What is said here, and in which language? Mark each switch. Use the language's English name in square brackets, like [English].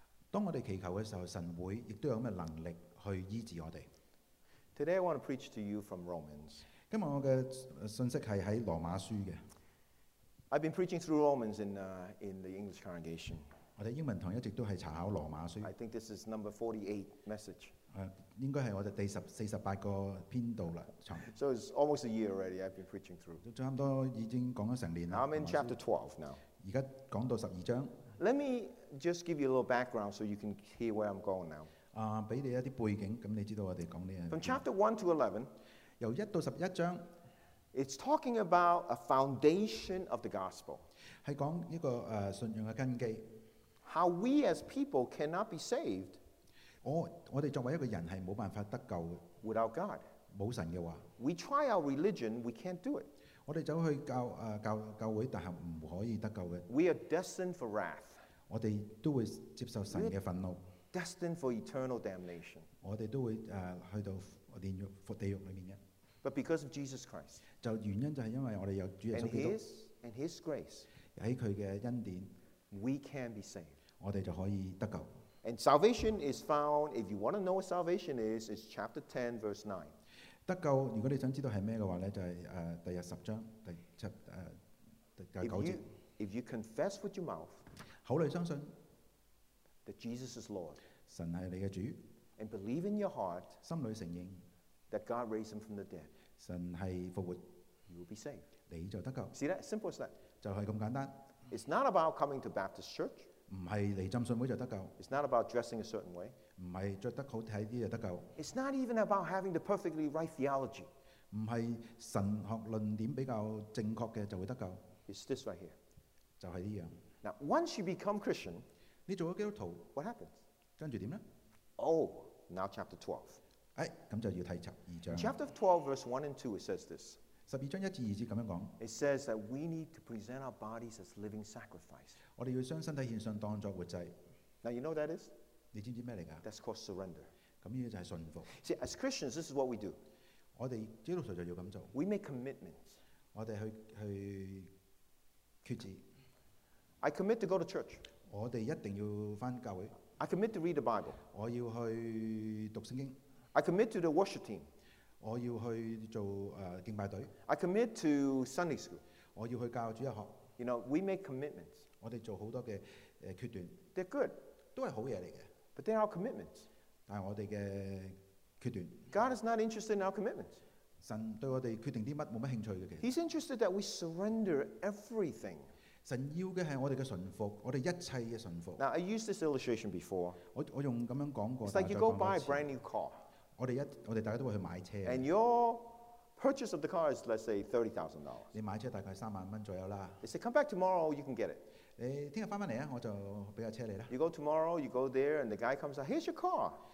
[Cantonese] 当我哋祈求嘅时候，神会亦都有咁嘅能力去医治我哋。 [English] Today I want to preach to you from Romans. [Cantonese] 今日我嘅信息系喺罗马书嘅。 [English] I've been preaching through Romans in the English congregation. [Cantonese] 我哋英文堂一直都系查考罗马书。 [English] I think this is number 48 message. [Cantonese] 应该系我哋第48个篇道啦。 [English] So it's almost a year already. I've been preaching through. [Cantonese] 差唔多已经讲咗成年啦。 [English] I'm in chapter 12 now. [Cantonese] 而家讲到十二章。 [English] Let me just give you a little background so you can hear where I'm going now. [Cantonese] 俾你一啲背景，咁你知道我哋讲呢样。 [English] From chapter 1 to 11, [Cantonese] 由一到十一章 [English] ，it's talking about a foundation of the gospel. [Cantonese] 系讲一个信仰嘅根基。 [English] How we as people cannot be saved. [Cantonese] 我哋作为一个人系冇办法得救嘅。 [English] Without God. [Cantonese] 冇神嘅话。 [English] We try our religion, we can't do it. [Cantonese] 我哋走去教会，但系唔可以得救嘅。 [English] We are destined for wrath. [Cantonese] 我哋都会接受神嘅愤怒。 [English] Destined for eternal damnation. [Cantonese] 我哋都会去到炼狱、伏地狱里面嘅。 [English] But because of Jesus Christ. [Cantonese] 就原因就系因为我哋有主耶稣基督。 [English] And his grace. [Cantonese] 喺佢嘅恩典。 [English] We can be saved. [Cantonese] 我哋就可以得救。 [English] And salvation is found. If you want to know what salvation is, it's chapter 10, verse 9. [Cantonese] 得救，如果你想知道係咩嘅話咧，就係第十章第七第九節。 [English] If you confess with your mouth， [Cantonese] 口裡相信 [English] that Jesus is Lord， [Cantonese] 神係你嘅主 [English] ，and believe in your heart， [Cantonese] 心裡承認 [English] that God raised him from the dead， [Cantonese] 神係復活 [English] ，you will be saved， [Cantonese] 你就得救。 [English] See that simple as that， [Cantonese] 就係咁簡單。 [English] It's not about coming to Baptist church， [Cantonese] 唔係嚟浸信會就得救。 [English] It's not about dressing a certain way。 [Cantonese] 唔係著得好睇啲就得救。 [English] It's not even about having the perfectly right theology. [Cantonese] 唔係神學論點比較正確嘅就會得救。 [English] It's this right here. [Cantonese] 就係呢樣。 [English] Now, once you become Christian, [Cantonese] 你做咗基督徒 [English] ，what happens? [Cantonese] 跟住點咧 [English] ？Oh, now chapter 12. [Cantonese] 咁就要睇十二章。 [English] Chapter 12, verse 1 and 2, it says this. [Cantonese] 十二章一至二節咁樣講。 [English] It says that we need to present our bodies as living sacrifice. [Cantonese] 我哋要將身體獻上當作活祭。 [English] Now you know what that is. [Cantonese] 你知唔知咩嚟噶 [English] ？That's called surrender. [Cantonese] 咁呢个就系顺服。 [English] See, as Christians, this is what we do. [Cantonese] 我哋基督徒就要咁做。 [English] We make commitments. [Cantonese] 我哋去决志。 [English] I commit to go to church. [Cantonese] 我哋一定要翻教會。 [English] I commit to read the Bible. [Cantonese] 我要去讀聖經。 [English] I commit to the worship team. [Cantonese] 我要去做敬拜隊。 [English] I commit to Sunday school. [Cantonese] 我要去教主日學。 [English] You know, we make commitments. [Cantonese] 我哋做好多嘅決斷。 [English] They're good. [Cantonese] 都係好嘢嚟嘅。 [English] But they're our commitments. [Cantonese] 但係我哋嘅決斷。 [English] God is not interested in our commitments. [Cantonese] 神對我哋決定啲乜冇乜興趣嘅。 [English] He's interested that we surrender everything. [Cantonese] 神要嘅係我哋嘅順服，我哋一切嘅順服。 [English] Now I used this illustration before. [Cantonese] 我用咁樣講過。 [English] It's like you go buy a brand new car. [Cantonese] 我哋大家都會去買車。 [English] And your purchase of the car is, let's say, $30,000. [Cantonese] 你買車大概$30,000左右啦。 [English] They say, come back tomorrow, you can get it. [Cantonese] 你聽日翻翻嚟啊，我就俾架車你啦。 [English] You go tomorrow, you go there, and the guy comes out, here's your car.